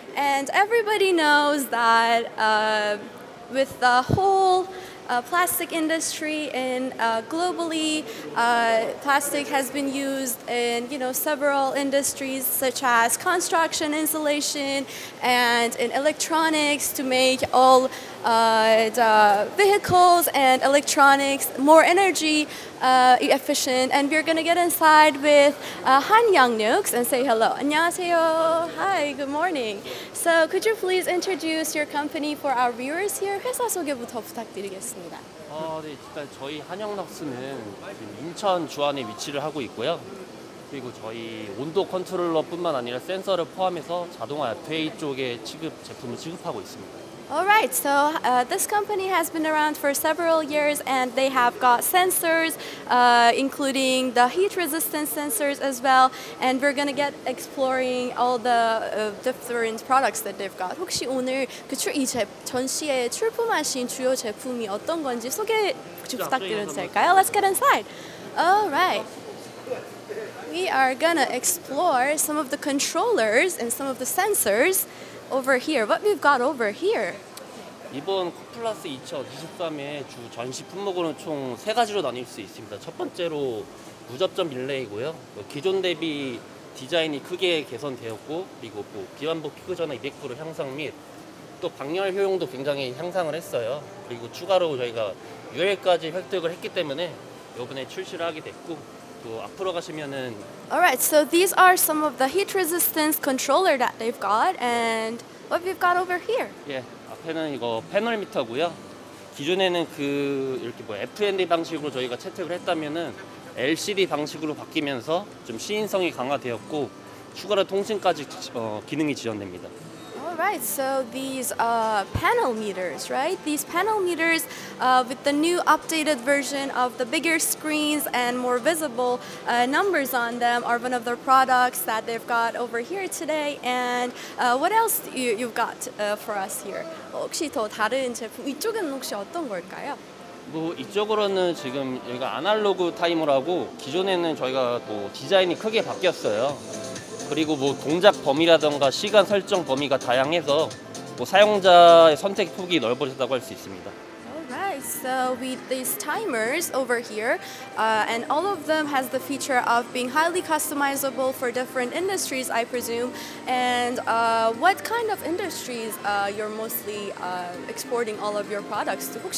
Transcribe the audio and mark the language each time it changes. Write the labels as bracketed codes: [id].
[en] And everybody knows that with the whole plastic industry in globally, plastic has been used in, you know, several industries such as construction, insulation, and in electronics to make all the vehicles and electronics more energy efficient. And we're going to get inside with Hanyoung Nux and say hello. [ko] 안녕하세요. [en] Hi, good morning. So could you please introduce your company for our viewers here? [ko] 회사 소개부터 부탁드리겠습니다. 네, 일단 저희 한영 넉스는 인천 주안에 위치를 하고 있고요. 그리고 저희 온도 컨트롤러뿐만 아니라 센서를 포함해서 자동화 FA 쪽에 취급 제품을 지급하고 있습니다. [en] Alright, so this company has been around for several years, and they have got sensors, including the heat resistance sensors as well. And we're gonna get exploring all the different products that they've got. [ko] 혹시 오늘 전시에 출품하신 주요 제품이 어떤 건지 소개 부탁드려도 될까요? [en] Let's get inside. Alright. We are gonna explore some of the controllers and some of the sensors over here. What we've got over here? [ko] 이번 코플라스 2023의 주 전시 품목으로 총 세 가지로 나뉠 수 있습니다. 첫 번째로 무접점 릴레이고요. 기존 대비 디자인이 크게 개선되었고, 그리고 뭐 비완복 피그전화 200% 향상 및 또 방열 효용도 굉장히 향상을 했어요. 그리고 추가로 저희가 UL까지 획득을 했기 때문에 이번에 출시를 하게 됐고, 또 앞으로 가시면은 [en] Alright, so these are some of the heat resistance controller that they've got, and what we've got over here? Yeah. [ko] 앞에는 이거 패널 미터고요. 기존에는 그 이렇게 뭐 FND 방식으로 저희가 채택을 했다면은 LCD 방식으로 바뀌면서 좀 시인성이 강화되었고 추가로 통신까지 기능이 지원됩니다. [en] Alright, so these panel meters, right? These panel meters with the new updated version of the bigger screens and more visible numbers on them are one of the products that they've got over here today. And what else you've got for us here? [ko] 혹시 더 다른 제품, 이쪽은 혹시 어떤 걸까요? 뭐 이쪽으로는 지금 여기가 아날로그 타이머라고 기존에는 저희가 뭐 디자인이 크게 바뀌었어요. 그리고 뭐 동작 범위라든가 시간 설정 범위가 다양해서 뭐 사용자의 선택 폭이 넓어졌다고 할 수 있습니다. [en] Alright, so with these timers over here, and all of them has the feature of being highly customizable for different industries, I presume. And what kind of industries you're mostly exporting all of your products to?